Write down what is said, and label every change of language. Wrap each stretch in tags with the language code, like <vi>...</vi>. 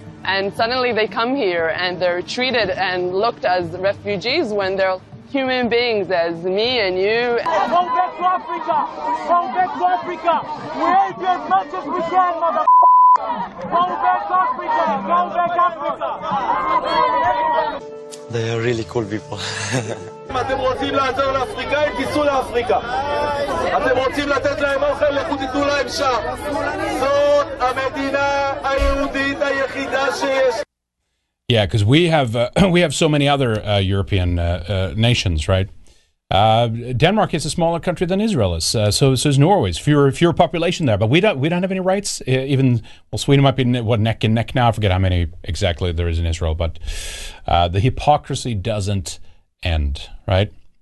<en>And suddenly they come here and they're treated and looked as refugees when they're human beings as me and you. Come back to Africa! Come back to Africa! We hate you as much as we can, motherfucker! Come back to Africa! Come back to Africa! They are really cool people.</en> <he>אם אתם רוצים לעזור לאפריקאים, תיסו לאפריקה. אתם רוצים לתת להם אוכל, לכו תיתנו להם שם. זאת המדינה היהודית היחידה שיש.</he> <en>Yeah, because we have so many other European nations, right? Denmark is a smaller country than Israel is, so is Norway. Fewer population there, but we don't have any rights. Even well, Sweden might be neck and neck now. I forget how many exactly there is in Israel, but the hypocrisy doesn't end, right?</en>